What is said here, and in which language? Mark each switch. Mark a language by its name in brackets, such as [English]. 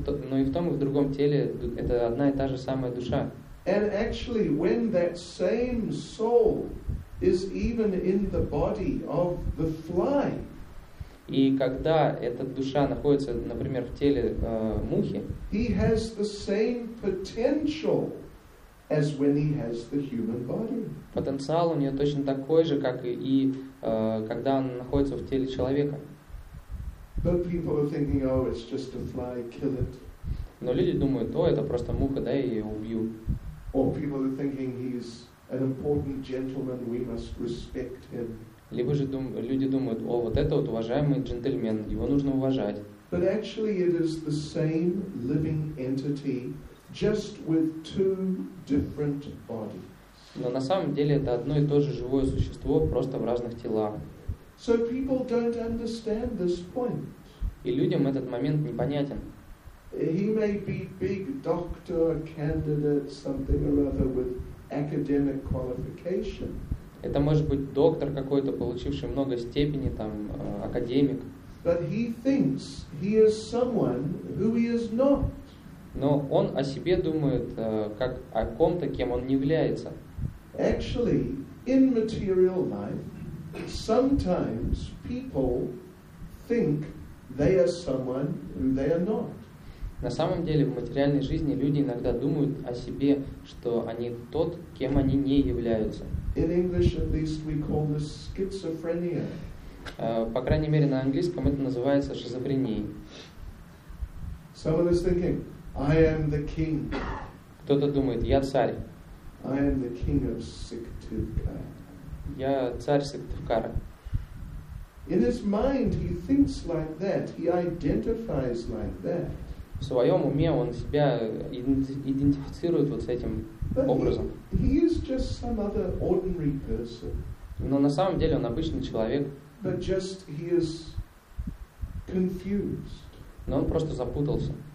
[Russian] Но и в том, и в другом теле это одна и та же самая душа. [English] And actually, when that same soul is even in the body of the fly, [Russian] и когда эта душа находится, например, в теле мухи, [English] he has the same potential as when he has the human body. [Russian] Потенциал у нее точно такой же, как и когда он находится в теле человека. [English] But people are thinking, oh, it's just a fly, kill it. [Russian] Но люди думают, о, это просто муха, да, я ее убью. [English] Or people are thinking he's an important gentleman, we must respect him. [Russian] Либо же люди думают, о, вот это вот уважаемый джентльмен, его нужно уважать. [English] But actually it is the same living entity, just with two different bodies. [Russian] Но на самом деле это одно и то же живое существо, просто в разных телах. [English] So people don't understand this point. [Russian] И людям этот момент непонятен. [English] He may be big doctor, candidate, something or other with academic qualification. [Russian] Это может быть доктор какой-то, получивший много степени, там, академик. [English] But he thinks he is someone who he is not. [Russian] Но он о себе думает, как о ком-то, кем он не является. [English] Actually, in material life, sometimes people think they are someone who they are not. [Russian] На самом деле, в материальной жизни люди иногда думают о себе, что они тот, кем они не являются. [English] In English, at least, we call this schizophrenia. [Russian] По крайней мере, на английском это называется шизофренией. [English] Someone is thinking, I am the king. [Russian] Кто-то думает, я царь. [English] I am the king of Syktyvkar. [Russian] Я царь Сыктывкара. [English] In his mind he thinks like that, he identifies like that. [Russian] В своем уме он себя идентифицирует вот с этим образом. [English] He is just some other ordinary person. [Russian] Но на самом деле он обычный человек. [English] But just he is confused. [Russian] Но он просто запутался.